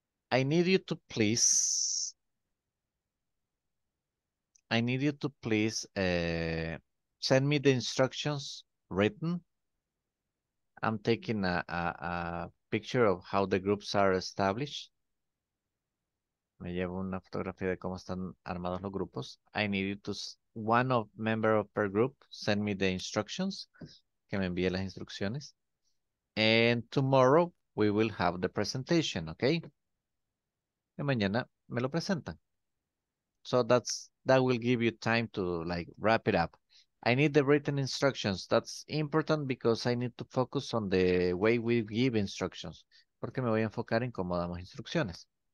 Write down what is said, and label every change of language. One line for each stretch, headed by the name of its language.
English: I need you to please send me the instructions written. I'm taking a picture of how the groups are established.
Spanish: Me llevo una fotografía de cómo están armados los grupos.
English: I need you to, one of member of per group, send me the instructions,
Spanish: que me envíe las instrucciones.
English: And tomorrow we will have the presentation, okay?
Spanish: Y mañana me lo presentan.
English: So that will give you time to like wrap it up. I need the written instructions. That's important because I need to focus on the way we give instructions.
Spanish: Porque me voy a enfocar en cómo damos instrucciones.